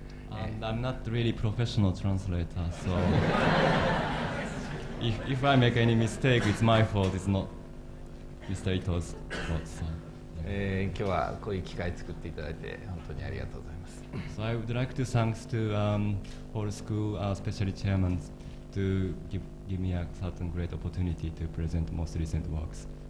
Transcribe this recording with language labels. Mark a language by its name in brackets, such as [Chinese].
[English] And I'm not really professional translator, so if I make any mistake, it's my fault. It's not Mr. Ito's fault. So. [Japanese] 今日はこういう機会を作っていただいて本当にありがとうございます。 [English] So I would like to thank to whole school, especially chairman, to give me a certain great opportunity to present most recent works.